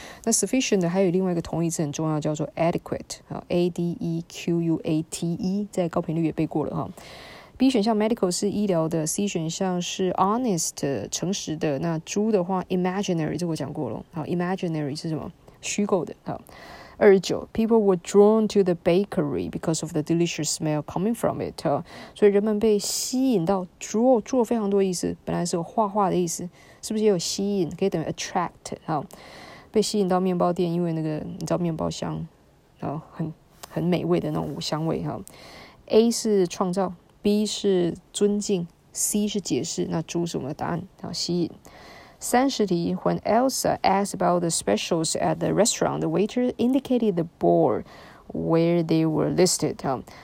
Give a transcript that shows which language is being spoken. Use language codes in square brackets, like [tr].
[zh] 那 sufficient 还有另外一个同义词很重要，叫做 adequate。A D E Q U A T E， 在高频率也背过了哈。 B 选项 medical 是医疗的 ，C 选项是 honest 诚实的。那猪的话 imaginary， 这我讲过了。好 ，imaginary 是什么？虚构的。好。 [en] 29, people were drawn to the bakery because of the delicious smell coming from it. [zh] 所以人们被吸引到 draw 非常多意思，本来是有画画的意思，是不是也有吸引，可以等于 attract, 好，被吸引到面包店，因为那个你知道面包香，很美味的那种香味。好， A 是创造， B 是尊敬， C 是解释，那猪是我们的答案，好，吸引。 [en] 30, when Elsa asked about the specials at the restaurant, the waiter indicated the board where they were listed.